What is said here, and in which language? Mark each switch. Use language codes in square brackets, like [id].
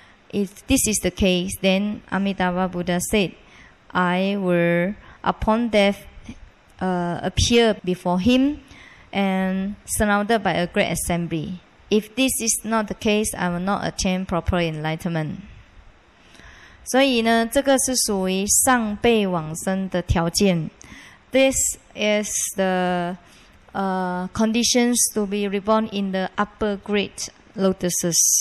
[en] If this is the case, then Amitabha Buddha said, I will, upon death, appear before him and surrounded by a great assembly. If this is not the case, I will not attain proper enlightenment. [zh] 所以呢，这个是属于上辈往生的条件。 [en] This is the conditions to be reborn in the upper great lotuses.